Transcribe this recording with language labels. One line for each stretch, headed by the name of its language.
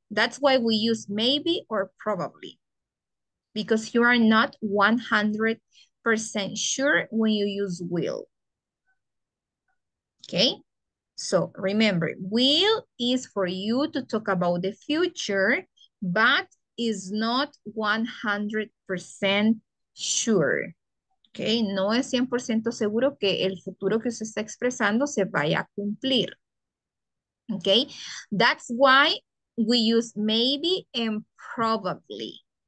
English: That's why we use maybe or probably, because you are not 100% sure when you use will. Okay, so remember, will is for you to talk about the future, but is not 100% sure.
Spanish: Okay, no es 100% seguro que el futuro que se está expresando se vaya a cumplir.
English: Okay, that's why we use maybe and probably.